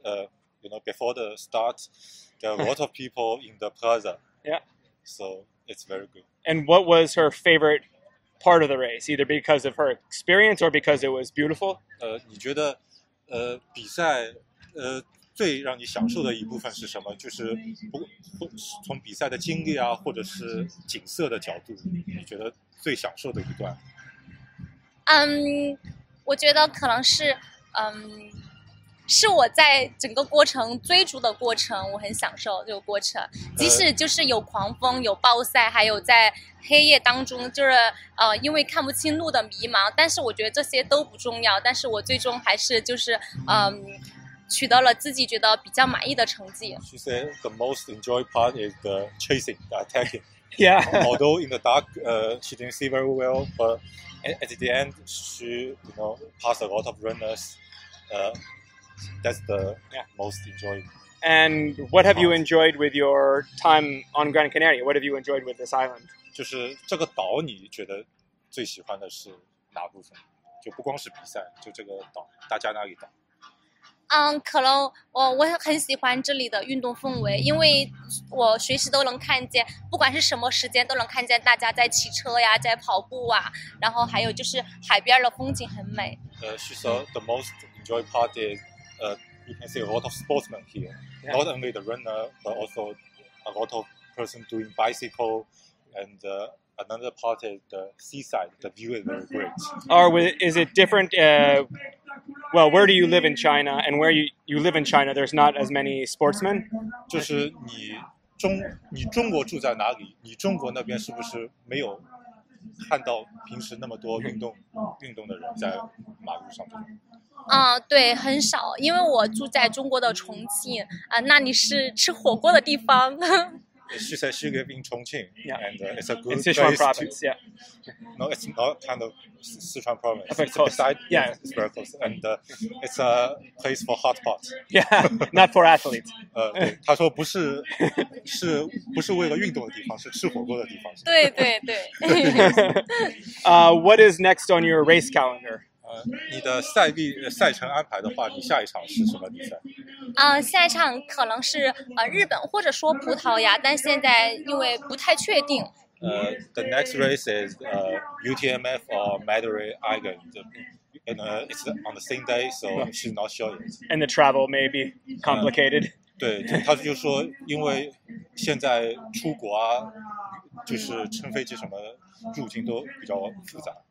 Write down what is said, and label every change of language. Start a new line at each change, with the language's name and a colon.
English: You know, before the start, there are a lot of people in the plaza. Yeah. So it's very good. And what was her favorite part of the race? Either because of her experience or because it was beautiful?
Chinese: 你觉得比赛最让你享受的一部分是什么？就是从比赛的经历啊，或者是景色的角度，你觉得最享受的一段？我觉得可能是是我在整个过程追逐的过程，我很享受这个过程，即使就是有狂风有暴晒，还有在黑夜当中就是因为看不清路的迷茫，但是我觉得这些都不重要，但是我最终还是就是取得了自己觉得比较满意的成绩。
English: She said the most enjoyed part is the chasing, the attacking. Yeah. Although in the dark, she didn't see very well, but at the end, she, you know, passed a lot of runners. That's the most enjoyed. And what have you enjoyed with your time on Gran Canaria? What have you enjoyed with this island?
Chinese: 就是这个岛，你觉得最喜欢的是哪部分？就不光是比赛，就这个岛，大家那里岛。可能我很喜欢这里的运动氛围，因为我随时都能看见，不管是什么时间都能看见大家在骑车呀，在跑步啊，然后还有就是海边的风景很美。
English: She said the most enjoyed part is, you can see a lot of sportsmen here, not only the runner, but also a lot of person doing bicycle, and another part is the seaside. The view is very great. Is it different? Well, where do you live in China? And where you live in China, there's not as many sportsmen.
Chinese: 就是你中国住在哪里？你中国那边是不是没有看到平时那么多运动的人在马路上面？对，很少，因为我住在中国的重庆，那里是吃火锅的地方。
English: She said she lives in Chongqing, and it's a good Sichuan place province, to... Yeah. No, it's not kind of Sichuan province. Of course, yeah. It's very close, and it's a place for hot pot. Yeah, not for athletes.
Chinese: 他说不是，是不是为了运动的地方，是吃火锅的地方。对对对。
English: What is next on your race calendar?
Chinese: 你的赛程安排的话，你下一场是什么比赛？下一场可能是日本或者说葡萄牙，但现在因为不太确定。
English: The next race is UTMF or Madrid Island, and it's on the same day, so she's not sure yet. And the travel may be complicated.
Chinese: 对，他就说因为现在出国啊，就是乘飞机什么入境都比较复杂。